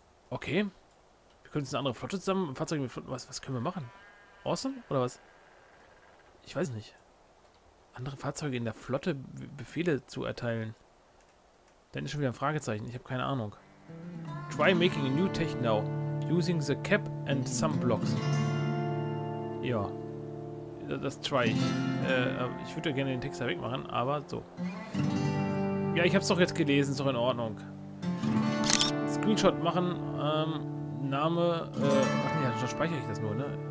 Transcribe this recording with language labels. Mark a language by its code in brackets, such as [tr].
[de] Okay. Wir können jetzt eine andere Flotte zusammen. Fahrzeuge mit Flotten. Was können wir machen? Awesome? Oder was? Ich weiß nicht. Andere Fahrzeuge in der Flotte Befehle zu erteilen. Dann ist schon wieder ein Fragezeichen. Ich habe keine Ahnung. [en] Try making a new tech now. Using the cap and some blocks. [de] Ja. Das try ich. Ich würde ja gerne den Text da wegmachen, aber so. Ja, ich habe es doch jetzt gelesen, ist doch in Ordnung. Screenshot machen, Name, ach nee, dann speichere ich das nur, ne?